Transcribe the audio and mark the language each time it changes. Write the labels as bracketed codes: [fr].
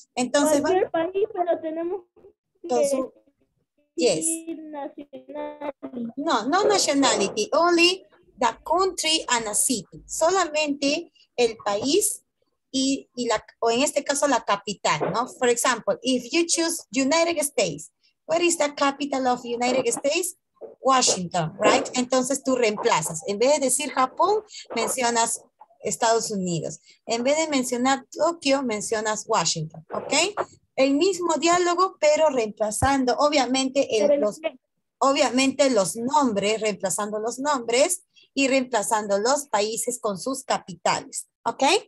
[es] Entonces, cualquier país, pero tenemos que decir nacionalidad. [en] No, no nationality. Only the country and a city. [es] Solamente el país y la, o en este caso la capital, ¿no? [en] For example, if you choose United States, what is the capital of United States? [es] Washington, right? Entonces tú reemplazas. En vez de decir Japón, mencionas Estados Unidos. En vez de mencionar Tokio, mencionas Washington, ¿ok? El mismo diálogo, pero reemplazando, obviamente, reemplazando los nombres y reemplazando los países con sus capitales, ¿ok?